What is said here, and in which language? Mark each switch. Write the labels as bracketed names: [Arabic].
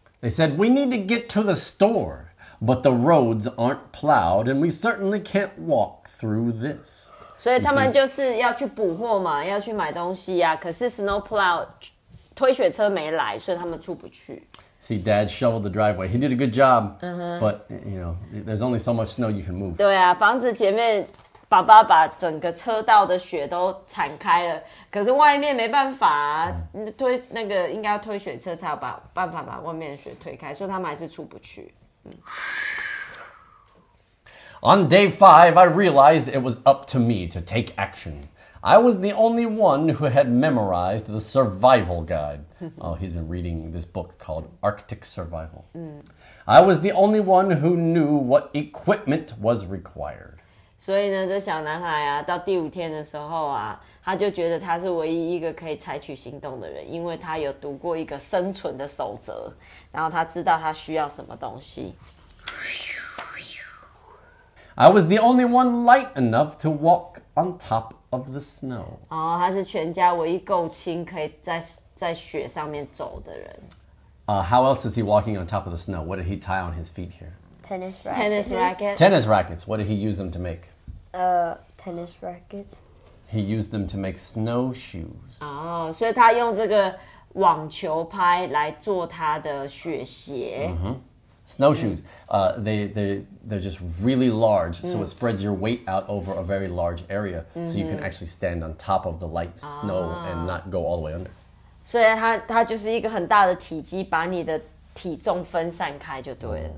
[English] They said, we need to get to the store, but the roads aren't plowed and we certainly can't walk through this. [Chinese] 所以他们就是要去补货嘛要去买东西啊可是 snow plow 推雪车没来所以他们出不去 [English] See, dad shoveled the driveway. He did a good job,、uh-huh. but you know, there's only so much snow you can move. [Chinese] 对啊房子前面爸爸把整个车道的雪都铲开了，可是外面没办法、啊、推那个应该要推雪车才有办法把外面的雪推开，所以他们还是出不去、 [English] 嗯。On day five, I realized it was up to me to take action. I was the only one who had memorized the survival guide. Oh, he's been reading this book called Arctic Survival.、嗯、I was the only one who knew what equipment was required. [Chinese] 所以呢，这小男孩啊，到第五天的时候啊，他就觉得他是唯一一个可以采取行动的人，因为他有读过一个生存的守则，然后他知道他需要什么东西。 [English] I was the only one light enough to walk on top of the snow. [Chinese] 哦，他是全家唯一够轻可以在雪上面走的人。 [English] How else is he walking on top of the snow? What did he tie on his feet here? Tennis rackets. What did he use them to make? Tennis rackets. He used them to make snowshoes. Oh, so he used this [Chinese] 网球拍来做他的雪鞋。 [English] Snowshoes, they're just really large, so it spreads your weight out over a very large area, so you can actually stand on top of the light snow and not go all the way under. [Chinese] 所以它就是一个很大的体积，把你的体重分散开就对了。